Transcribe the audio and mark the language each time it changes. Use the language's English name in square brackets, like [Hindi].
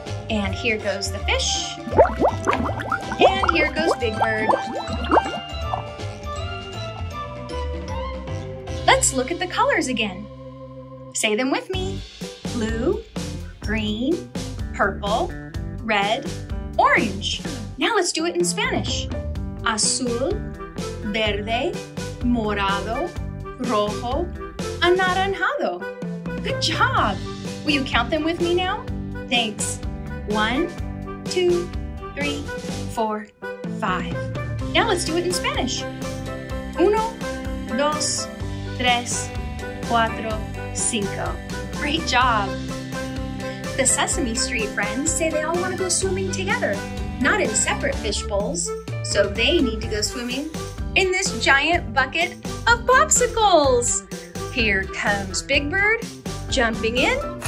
[English] And here goes the fish. And here goes Big Bird. Let's look at the colors again. Say them with me. Blue, green, purple, red, orange. Now let's do it in Spanish. [Spanish] Azul, verde, morado, rojo, anaranjado. [English] Good job. Will you count them with me now? Thanks. One, two, three, four, five. Now let's do it in Spanish. [Spanish] Uno, dos, tres, cuatro, cinco. [English] Great job. The Sesame Street friends say they all want to go swimming together, not in separate fish bowls. So they need to go swimming in this giant bucket of popsicles. Here comes Big Bird jumping in.